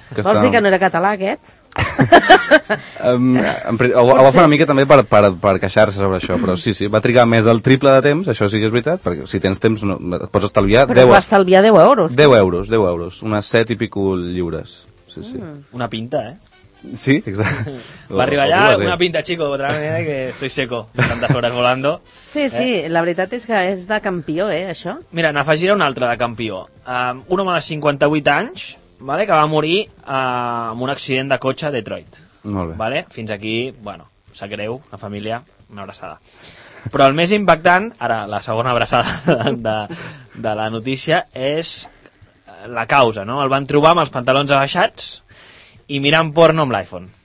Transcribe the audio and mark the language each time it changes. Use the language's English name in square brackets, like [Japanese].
[Catalan] Vols dir que no era català aquest? Ho fa una mica també per queixar-se sobre això, però sí, sí, va trigar més del triple de temps, això sí que és veritat, perquè si tens temps no, et pots estalviar, però 10, es va estalviar 10 euros. 10 euros, unes 7 i pico lliures. Sí, sí. Una pinta, eh? Sí, exacte. Va arribar allà, una pinta, [Spanish] chico, otra manera que estoy seco, tantas horas volando. [Catalan] Sí, sí, la veritat és que és de campió, això. Mira, n'afegiré un altre de campió. Un home de 58 anys, vale, que va morir en un accident de cotxe a Detroit. Molt bé. Vale? Fins aquí, bueno, sap greu, la família, una abraçada. Però el més impactant, ara la segona abraçada de la notícia, és la causa, no? El van trobar amb els pantalons abaixats i mirant porno amb l'iPhone.